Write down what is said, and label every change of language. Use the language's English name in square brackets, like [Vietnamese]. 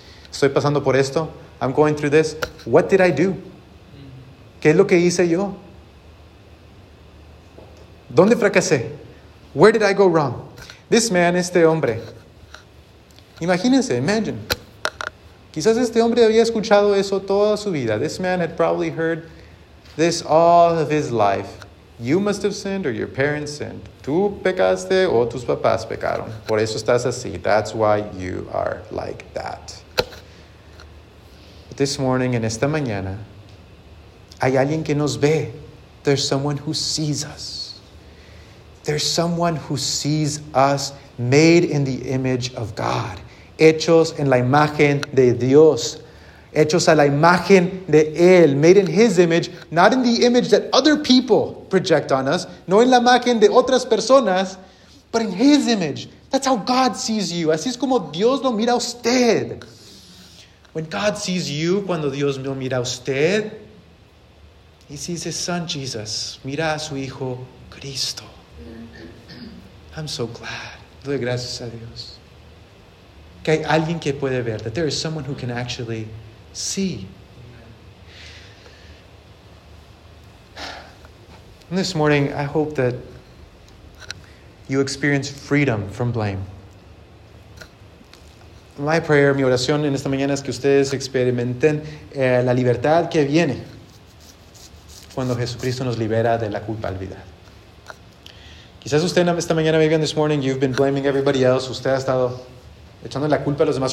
[Spanish] Estoy pasando por esto. [English] I'm going through this. What did I do? [Spanish] ¿Qué es lo que hice yo? ¿Dónde fracasé? [English] Where did I go wrong? This man, [Spanish] este hombre. Imagínense, imagine. Quizás este hombre había escuchado eso toda su vida. [English] This man had probably heard this all of his life. You must have sinned or your parents sinned. [Spanish] Tú pecaste o tus papás pecaron. Por eso estás así. [English] That's why you are like that. But this morning, [Spanish] en esta mañana, hay alguien que nos ve. [English] There's someone who sees us. There's someone who sees us made in the image of God. [Spanish] Hechos en la imagen de Dios. Hechos a la imagen de Él. [English] Made in His image. Not in the image that other people project on us. [Spanish] No en la imagen de otras personas. [English] But in His image. That's how God sees you. [Spanish] Así es como Dios lo mira a usted. [English] When God sees you, [Spanish] cuando Dios lo mira a usted, [English] He sees His Son, Jesus. [Spanish] Mira a su Hijo, Cristo. [English] I'm so glad. [Spanish] Doy gracias a Dios. Que hay alguien que puede ver. [English] That there is someone who can actually see. And this morning, I hope that you experience freedom from blame. My prayer, [Spanish] mi oración en esta mañana es que ustedes experimenten la libertad que viene cuando Jesucristo nos libera de la culpabilidad. Quizás usted esta mañana, [English] maybe on this morning, you've been blaming everybody else. [Spanish] Usted ha estado echando la culpa a los demás.